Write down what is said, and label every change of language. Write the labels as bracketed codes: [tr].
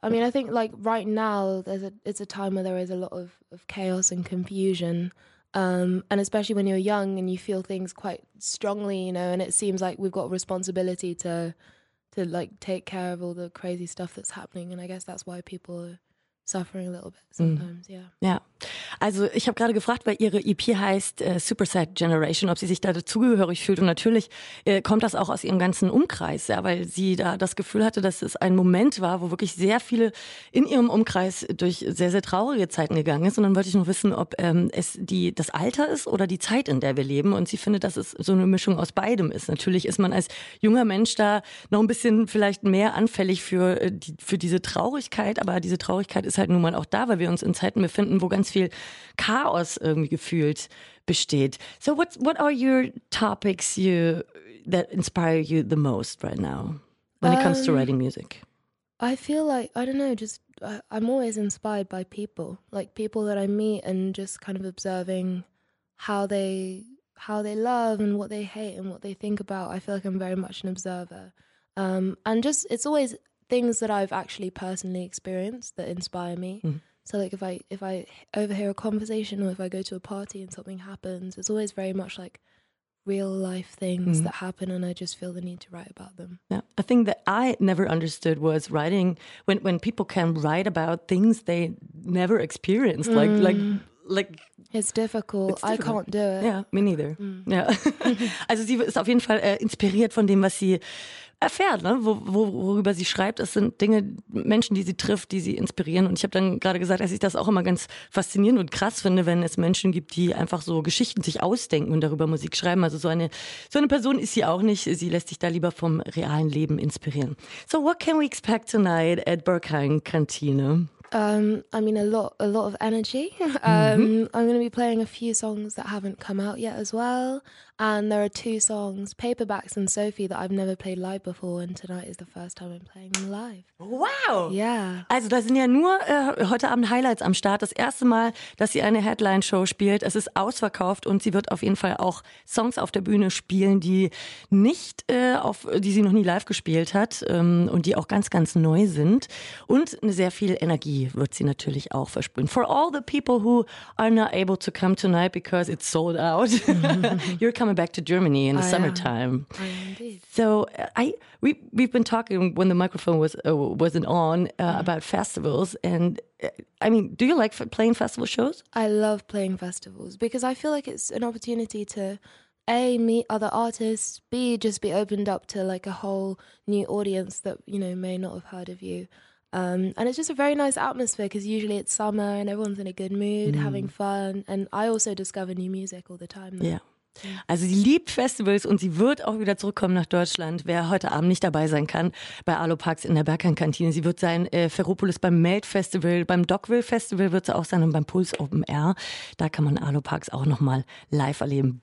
[en] I mean, I think like right now it's a time where there is a lot of chaos and confusion. And especially when you're young and you feel things quite strongly, you know, and it seems like we've got responsibility to like take care of all the crazy stuff that's happening. And I guess that's why people are suffering a little bit sometimes, yeah. Yeah. [de] Also ich habe gerade gefragt, weil ihre EP heißt Super Sad Generation, ob sie sich da dazugehörig fühlt. Und natürlich kommt das auch aus ihrem ganzen Umkreis, ja, weil sie da das Gefühl hatte, dass es ein Moment war, wo wirklich sehr viele in ihrem Umkreis durch sehr, sehr traurige Zeiten gegangen ist. Und dann wollte ich nur wissen, ob das Alter ist oder die Zeit, in der wir leben. Und sie findet, dass es so eine Mischung aus beidem ist. Natürlich ist man als junger Mensch da noch ein bisschen vielleicht mehr anfällig für diese Traurigkeit. Aber diese Traurigkeit ist halt nun mal auch da, weil wir uns in Zeiten befinden, wo ganz viel Chaos irgendwie gefühlt besteht. [en] So what are your topics that inspire you the most right now when it comes to writing music? I feel like, I don't know, just I'm always inspired by people, like people that I meet and just kind of observing how they love and what they hate and what they think about. I feel like I'm very much an observer. And just, it's always things that I've actually personally experienced that inspire me. Mm-hmm. So like if I overhear a conversation or if I go to a party and something happens, it's always very much like real life things mm-hmm. that happen, and I just feel the need to write about them. Yeah, a thing that I never understood was writing when people can write about things they never experienced. Mm-hmm. Like it's difficult. It's difficult. I can't do it. Yeah, me neither. Mm. Yeah. [de] Also sie ist auf jeden Fall inspiriert von dem, was sie erfährt, ne? Worüber sie schreibt. Es sind Dinge, Menschen, die sie trifft, die sie inspirieren. Und ich habe dann gerade gesagt, dass ich das auch immer ganz faszinierend und krass finde, wenn es Menschen gibt, die einfach so Geschichten sich ausdenken und darüber Musik schreiben. Also so eine Person ist sie auch nicht. Sie lässt sich da lieber vom realen Leben inspirieren. [en] So what can we expect tonight at Berghain Kantine? I mean, a lot of energy. Mm-hmm. I'm going to be playing a few songs that haven't come out yet as well. And there are two songs, Paperbacks and Sophie, that I've never played live before. And tonight is the first time I'm playing them live. Wow! Yeah. [de] Also da sind ja nur heute Abend Highlights am Start. Das erste Mal, dass sie eine Headline-Show spielt. Es ist ausverkauft und sie wird auf jeden Fall auch Songs auf der Bühne spielen, die sie noch nie live gespielt hat und die auch ganz, ganz neu sind. Und eine sehr viel Energie wird sie natürlich auch versprühen. [en] For all the people who are not able to come tonight because it's sold out, you're coming back to Germany in the summertime. Indeed. So we've been talking when the microphone wasn't on about festivals, and I mean, do you like playing festival shows? I love playing festivals because I feel like it's an opportunity to A, meet other artists, B, just be opened up to like a whole new audience that, you know, may not have heard of you. And it's just a very nice atmosphere because usually it's summer and everyone's in a good mood, having fun. And I also discover new music all the time. Yeah. [de] Also sie liebt Festivals und sie wird auch wieder zurückkommen nach Deutschland, wer heute Abend nicht dabei sein kann bei Arlo Parks in der Berghain-Kantine. Sie wird sein Ferropolis beim Melt-Festival, beim Dockville-Festival wird sie auch sein und beim Pulse Open Air. Da kann man Arlo Parks auch nochmal live erleben.